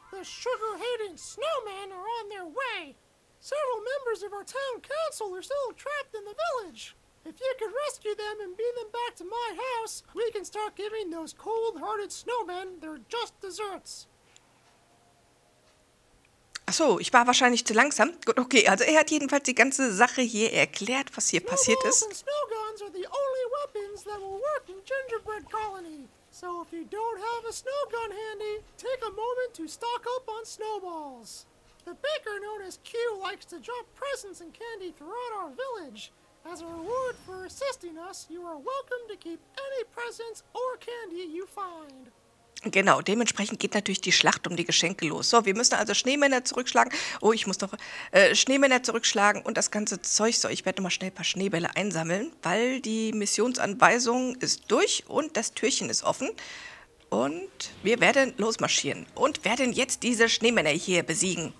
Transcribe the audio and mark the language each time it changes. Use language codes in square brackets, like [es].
[en] The sugar-hating snowmen are on their way. Several members of our town council are still trapped in the village. If you could rescue them and bring them back to my house, we can start giving those cold-hearted snowmen their just desserts. [de] Ach so, ich war wahrscheinlich zu langsam. Gut, okay, also er hat jedenfalls die ganze Sache hier erklärt, was hier passiert ist. [en] Snowballs and snowguns are the only weapons that will work in Gingerbread Colony. So if you don't have a snow gun handy, take a moment to stock up on snowballs. The baker known as Q likes to drop presents and candy throughout our village. As a reward for assisting us, you are welcome to keep any presents or candy you find. [de] Genau, dementsprechend geht natürlich die Schlacht um die Geschenke los. So, wir müssen also Schneemänner zurückschlagen. Oh, ich muss noch Schneemänner zurückschlagen und das ganze Zeug. So, ich werde nochmal schnell ein paar Schneebälle einsammeln, weil die Missionsanweisung ist durch und das Türchen ist offen. Und wir werden losmarschieren und werden jetzt diese Schneemänner hier besiegen.